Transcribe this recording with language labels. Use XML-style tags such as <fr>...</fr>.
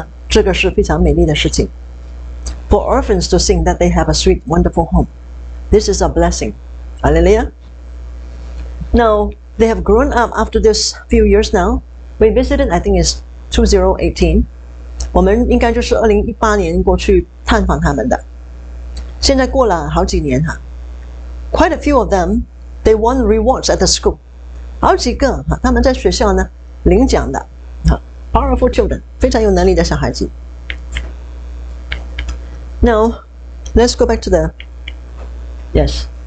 <zh>是非常有能力的歌，因为他们唱的是我们有一个非常美丽的家。孤儿唱我们有美丽的家，这个是非常美丽的事情。For</zh> <en>orphans to sing that they have a sweet, wonderful home, this is a blessing. Hallelujah. Now, they have grown up after this few years now. We visited, I think it's 2018.</en> <zh>我们应该就是2018年过去探访他们的。现在过了好几年。Quite</zh> <en>a few of them, they won rewards at the school.</en> <zh>好几个，他们在学校呢，领奖的。Powerful</zh> <en>children,</en> <zh>非常有能力的小孩子。</zh> <en>Now, let's go back to the... Yes.</en>